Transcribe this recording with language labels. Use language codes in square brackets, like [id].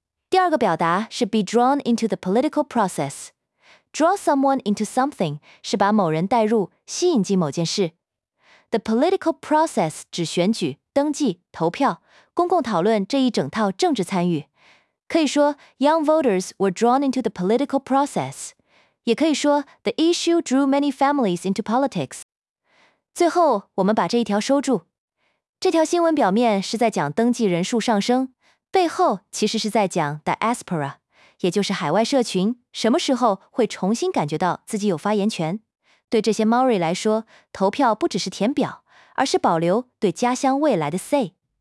[en] 第二个表达是 be drawn into the political process。 [zh] Draw someone into something 是把某人带入、吸引进某件事。 The political process 指选举、登记、投票、公共讨论这一整套政治参与。 [en] 可以说 young voters were drawn into the political process，也可以说 the issue drew many families into politics。 [zh] 最后我们把这一条收住。这条新闻表面是在讲登记人数上升，背后其实是在讲 diaspora， 也就是海外社群什么时候会重新感觉到自己有发言权。对这些 Maori 来说，投票不只是填表，而是保留对家乡未来的 say。